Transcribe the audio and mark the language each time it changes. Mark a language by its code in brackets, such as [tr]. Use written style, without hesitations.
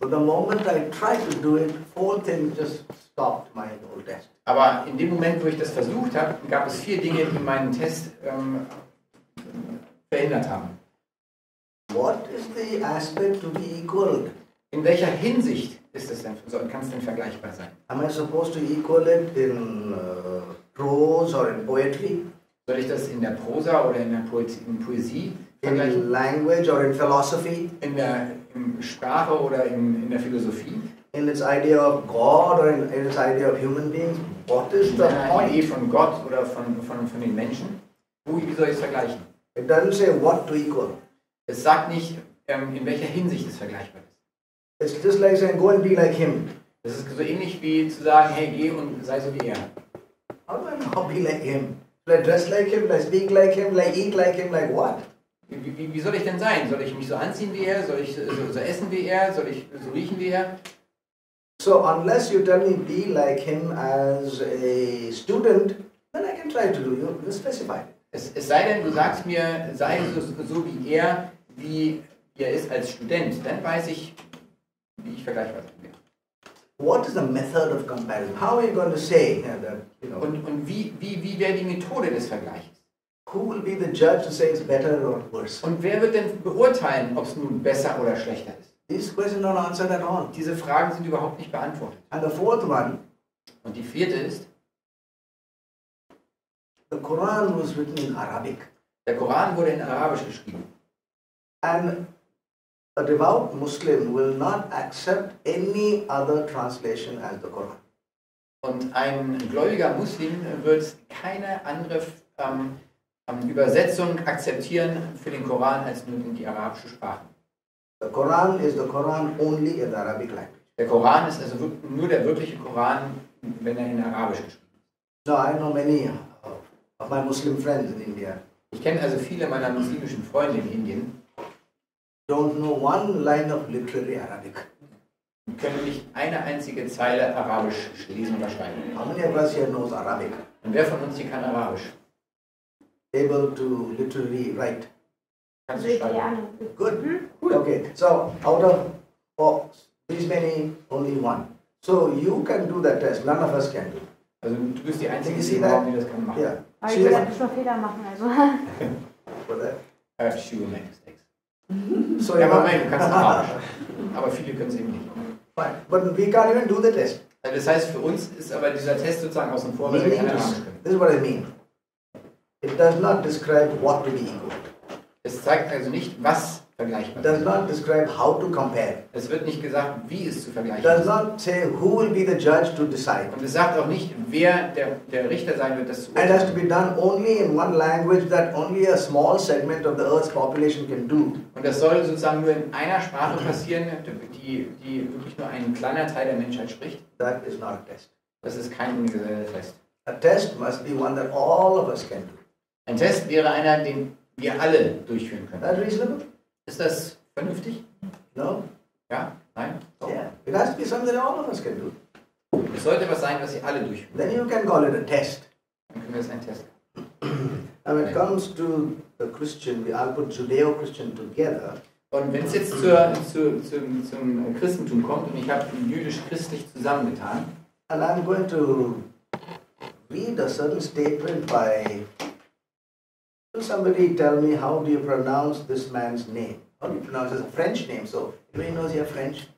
[en] But the moment I tried to do it, four things just stopped my whole test. [de] Aber in dem Moment, wo ich das versucht habe, gab es vier Dinge, die meinen Test verhindert haben. [en] What is the aspect to be equal? [de] In welcher Hinsicht ist es denn so, kann es denn vergleichbar sein? [en] Am I supposed to equal it in prose or in poetry? [de] Soll ich das in der Prosa oder in der Poesie vergleichen? [en] In language or in philosophy? [de] In der Sprache oder in der Philosophie? [en] In its idea of God or in its idea of human beings? What is the point? [de] Idee von Gott oder von den Menschen? Wie soll ich es vergleichen? [en] It doesn't say what to equal. [de] Es sagt nicht, in welcher Hinsicht es vergleichbar ist. [en] It's just like saying, go and be like him. [de] Es ist so ähnlich wie zu sagen, hey, geh und sei so wie er. [en] How do I not be like him? Do I dress like him? Do I speak like him? Do I eat like him? Like what? [de] Wie soll ich denn sein? Soll ich mich so anziehen wie er? Soll ich so essen wie er? Soll ich so riechen wie er? [en] So unless you tell me be like him as a student, then I can try to do you specify. [de] Es sei denn, du sagst mir, sei so wie er, wie er ist als Student, dann weiß ich, wie ich vergleichbar bin. [en] What is the method of comparison? How are you going to say that, [de] Und wie wäre die Methode des Vergleichs? [en] Who will be the judge to say it's better or worse? [de] Und wer wird denn beurteilen, ob es nun besser oder schlechter ist? [en] These questions are not answered at all. [de] Diese Fragen sind überhaupt nicht beantwortet. [en] And the fourth one. [de] Und die vierte ist. [en] The Quran was written in Arabic. [de] Der Koran wurde in Arabisch geschrieben. [en] And a devout Muslim will not accept any other translation as the Quran. [de] Und ein gläubiger Muslim wird keine andere Übersetzung akzeptieren für den Koran als nur in die arabische Sprache. [en] The Quran is the Quran only in the Arabic language. [de] Der Koran ist also nur der wirkliche Koran, wenn er in Arabisch geschrieben ist. [en] So, I know many of my Muslim friends in India. [de] Ich kenne also viele meiner muslimischen Freunde in Indien. [en] Don't know one line of literary Arabic. [de] Die können nicht eine einzige Zeile Arabisch lesen oder schreiben. [en] How many of us here knows Arabic? [de] Und wer von uns hier kann Arabisch? [en] Able to literally write. Good. Okay. So out of these many, only one. So you can do that test. None of us can do. [de] Also, du bist die Einzige, die das kann machen. [en] Yeah. [de] Aber ich will einfach nur Fehler machen. [en] For that. I have sure many mistakes. [de] So ja, aber du kannst Arabisch. Aber viele können es eben nicht. [en] Fine. But we can't even do the test. [de] Das heißt, für uns ist aber dieser Test sozusagen außen vor, weil wir keine Arabisch können. [en] This is what I mean. It does not describe what to be equal. [de] Es zeigt also nicht, was vergleichbar ist. [en] Does not describe how to compare. [de] Es wird nicht gesagt, wie es zu vergleichen. [en] Does not say who will be the judge to decide. [de] Und es sagt auch nicht, wer der Richter sein wird, das zu urteilen. [en] It has to be done only in one language that only a small segment of the Earth's population can do. [de] Und das soll sozusagen nur in einer Sprache passieren, die wirklich nur ein kleiner Teil der Menschheit spricht. [en] That is not a test. [de] Das ist kein universeller Test. [en] A test must be one that all of us can do. [de] Ein Test wäre einer, den wir alle durchführen können. [en] That reasonable? [de] Ist das vernünftig? [en] No. [de] Ja? Nein? [en] Oh. Yeah. It has to be something that all of us can do. [de] Es sollte was sein, was sie alle durchführen. [en] Then you can call it a test. [de] Dann können wir es ein Test. [en] And when it comes to the Christian, we all put Judeo-Christian together. [de] Und wenn es jetzt zum Christentum kommt, und ich habe jüdisch-christlich zusammengetan. [en] And I'm going to read a certain statement by... Somebody tell me, how do you pronounce this man's name? How do you pronounce it? It's a French name, so anybody knows you're French?